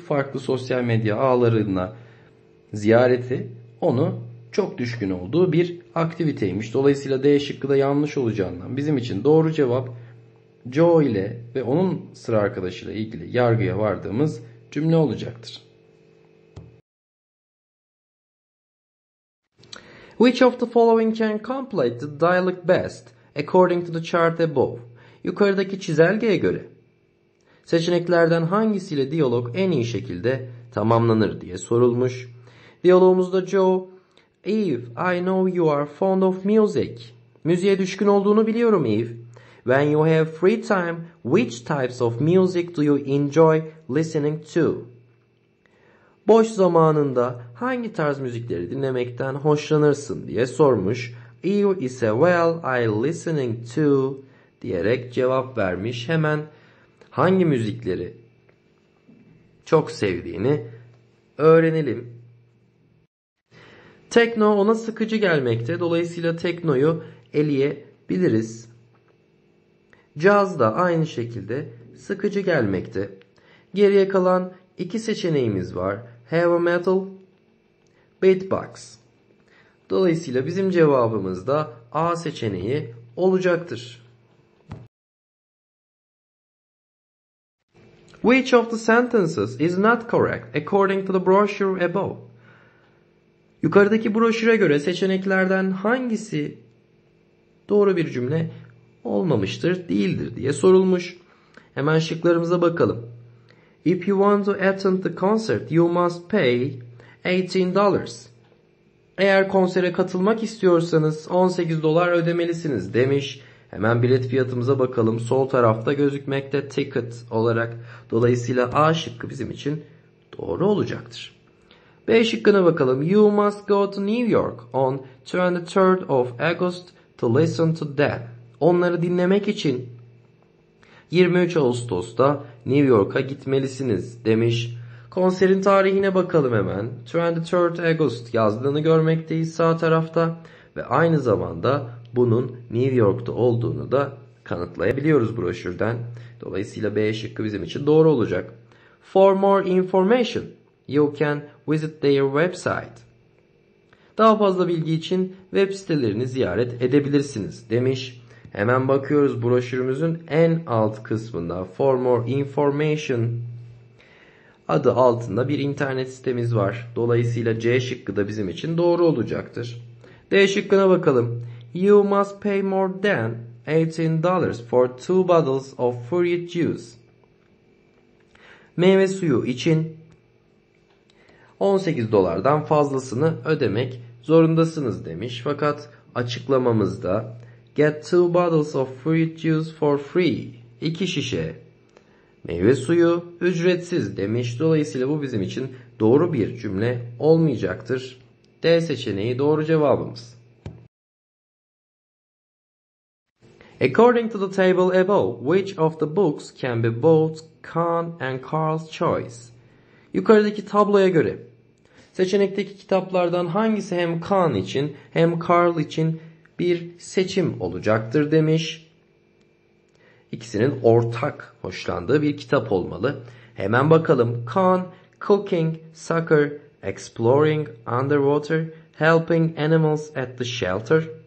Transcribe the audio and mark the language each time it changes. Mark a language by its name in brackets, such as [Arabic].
[Turkish] Farklı sosyal medya ağlarına ziyareti onu çok düşkün olduğu bir aktiviteymiş. Dolayısıyla D şıkkı da yanlış olacağından bizim için doğru cevap Joe ile ve onun sıra arkadaşıyla ilgili yargıya vardığımız cümle olacaktır. [English] Which of the following can complete the dialogue best according to the chart above? [Turkish] Yukarıdaki çizelgeye göre seçeneklerden hangisiyle diyalog en iyi şekilde tamamlanır diye sorulmuş. Diyalogumuzda [English] Joe, Eve, I know you are fond of music. [Turkish] Müziğe düşkün olduğunu biliyorum [English] Eve. When you have free time, which types of music do you enjoy listening to? [Turkish] Boş zamanında hangi tarz müzikleri dinlemekten hoşlanırsın diye sormuş. [English] You [Turkish] ise [English] well I listening to [Turkish] diyerek cevap vermiş. Hemen hangi müzikleri çok sevdiğini öğrenelim. Tekno ona sıkıcı gelmekte. Dolayısıyla teknoyu eleyebiliriz. Caz da aynı şekilde sıkıcı gelmekte. Geriye kalan iki seçeneğimiz var. Heavy metal, beatbox. Dolayısıyla bizim cevabımız da A seçeneği olacaktır. [English] Which of the sentences is not correct according to the brochure above? [Turkish] Yukarıdaki broşüre göre seçeneklerden hangisi doğru bir cümle olmamıştır, değildir diye sorulmuş. Hemen şıklarımıza bakalım. [English] If you want to attend the concert, you must pay $18. [Turkish] Eğer konsere katılmak istiyorsanız $18 ödemelisiniz demiş. Hemen bilet fiyatımıza bakalım. Sol tarafta gözükmekte ticket olarak. Dolayısıyla A şıkkı bizim için doğru olacaktır. B şıkkına bakalım. [English] You must go to New York on 23rd of August to listen to them. [Turkish] Onları dinlemek için 23 Ağustos'ta New York'a gitmelisiniz demiş. Konserin tarihine bakalım hemen. 23 August yazdığını görmekteyiz sağ tarafta. Ve aynı zamanda bunun New York'ta olduğunu da kanıtlayabiliyoruz broşürden. Dolayısıyla B şıkkı bizim için doğru olacak. [English] For more information, you can visit their website. [Turkish] Daha fazla bilgi için web sitelerini ziyaret edebilirsiniz demiş. Hemen bakıyoruz broşürümüzün en alt kısmında [English] For More Information [Turkish] adı altında bir internet sitemiz var. Dolayısıyla C şıkkı da bizim için doğru olacaktır. D şıkkına bakalım. [English] You must pay more than $18 for two bottles of fruit juice. [Turkish] Meyve suyu için $18'dan fazlasını ödemek zorundasınız demiş. Fakat açıklamamızda [English] Get two bottles of fruit juice for free. [Turkish] İki şişe Meyve suyu ücretsiz demiş. Dolayısıyla bu bizim için doğru bir cümle olmayacaktır. D seçeneği doğru cevabımız. [English] According to the table above, which of the books can be bought Kahn and Carl's choice? [Turkish] Yukarıdaki tabloya göre seçenekteki kitaplardan hangisi hem Kahn için hem Carl için bir seçim olacaktır demiş. İkisinin ortak hoşlandığı bir kitap olmalı. Hemen bakalım. Kahn, Cooking, Soccer, Exploring, Underwater, Helping Animals at the Shelter.